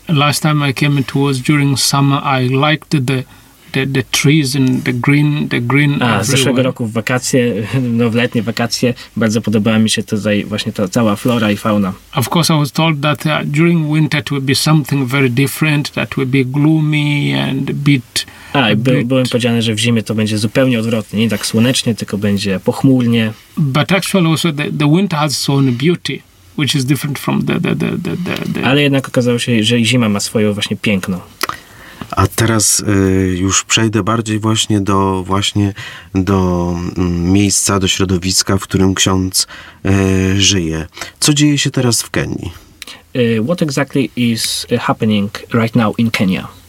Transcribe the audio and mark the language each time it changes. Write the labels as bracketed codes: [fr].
[en] Last time I came it was during summer. I liked the trees and the green everywhere. [pl] Zeszłego roku w wakacje, no w letnie wakacje, bardzo podobała mi się tutaj właśnie ta cała flora i fauna. [en] Of course I was told that during winter it would be something very different, that would be gloomy and [pl] Byłem powiedziane, że w zimie to będzie zupełnie odwrotnie, nie tak słonecznie, tylko będzie pochmurnie. [en] But actually also the winter has its own beauty, which is different from the [pl] Ale jednak okazało się, że zima ma swoje właśnie piękno. A teraz już przejdę bardziej właśnie do miejsca, do środowiska, w którym ksiądz żyje. Co dzieje się teraz w Kenii? [en] What exactly is happening right now in Kenya?